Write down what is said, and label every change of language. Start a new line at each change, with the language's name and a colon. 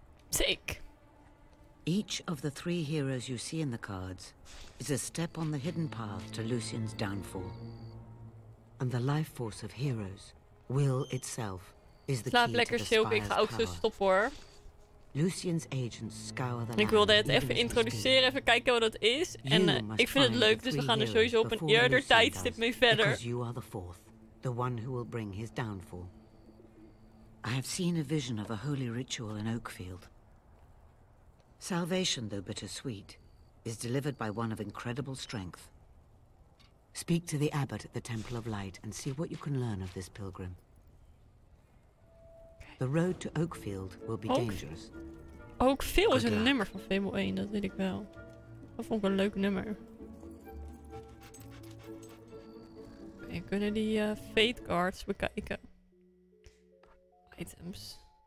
English: Take. Each of the three heroes you see in the cards is a step on the hidden path to Lucien's downfall. And the life force of heroes, will itself, is the
Dutch: Slaap
English: key
Dutch: lekker
English: to the spire's
Dutch: ik ga ook
English: power.
Dutch: Zo stoppen hoor.
English: Lucien's agents scour the land.
Dutch: Ik wilde het even introduceren, even kijken wat het is. En ik vind het leuk, dus we gaan er sowieso op een eerder tijdstip mee verder.
English: Because you are the fourth, the one who will bring his downfall. I have seen a vision of a holy ritual in Oakfield. Salvation, though bittersweet, is delivered by one of incredible strength. Speak to the abbot at the Temple of Light and see what you can learn of this pilgrim. The road to Oakfield will be dangerous.
Dutch: Oakfield is een nummer van Fable 1, dat weet ik wel. Dat vond ik een leuk nummer. Okay, kunnen die Fate Cards bekijken? Items.